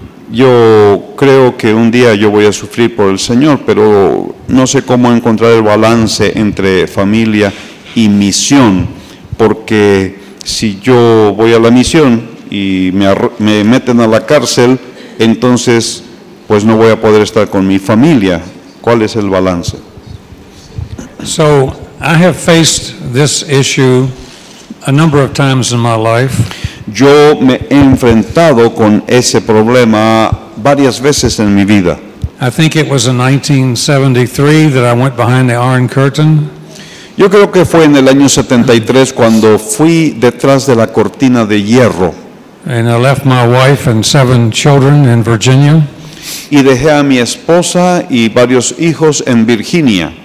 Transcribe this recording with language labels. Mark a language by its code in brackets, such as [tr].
[es] Yo creo que un día yo voy a sufrir por el Señor, pero no sé cómo encontrar el balance entre familia y misión, porque si yo voy a la misión y me meten a la cárcel, entonces pues no voy a poder estar con mi familia. ¿Cuál es el balance? [en] So, I have faced this issue a number of times in my life. [es] Yo me he enfrentado con ese problema varias veces en mi vida. [en] I think it was in 1973 that I went behind the Iron Curtain. [es] Yo creo que fue en el año 73 cuando fui detrás de la cortina de hierro. [en] And I left my wife and 7 children in Virginia. [es] Y dejé a mi esposa y varios hijos en Virginia.